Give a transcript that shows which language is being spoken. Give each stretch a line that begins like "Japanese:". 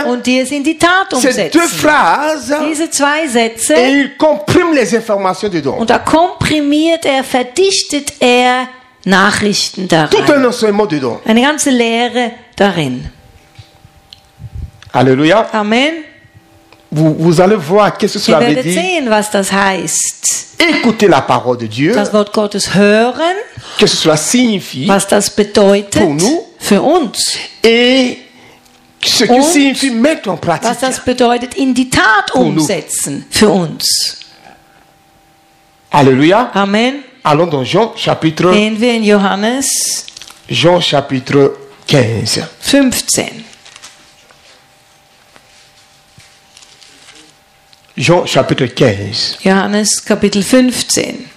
German: Und die es in die Tat umsetzen.
French: Ces deux phrases.
German: Diese zwei Sätze.
French: Et il comprime les informations dedans.
German: Und da komprimiert er, verdichtet er. Nachrichten darin.
French: Tout un enseignement dedans.
German: Eine ganze Lehre darin.
French: Alléluia.
German: Amen.
French: Vous allez voir qu'est-ce que cela veut dire.
German: Ihr werdet sehen, was das heißt.
French: Écouter la parole de Dieu.
German: Das Wort Gottes hören.
French: Qu'est-ce que cela signifie.
German: Was das bedeutet.
French: Pour nous.
German: Für uns.
French: Et ce que signifie mettre en pratique.
German: Was das bedeutet, in die Tat umsetzen.
French: Nous.
German: Für uns.
French: Alléluia.
German: Amen.
French: Allons dans Jean chapitre.
German: Gehen wir in Johannes.
French: Jean chapitre 15. 15. Jean chapitre 15.
German: Johannes Kapitel 15.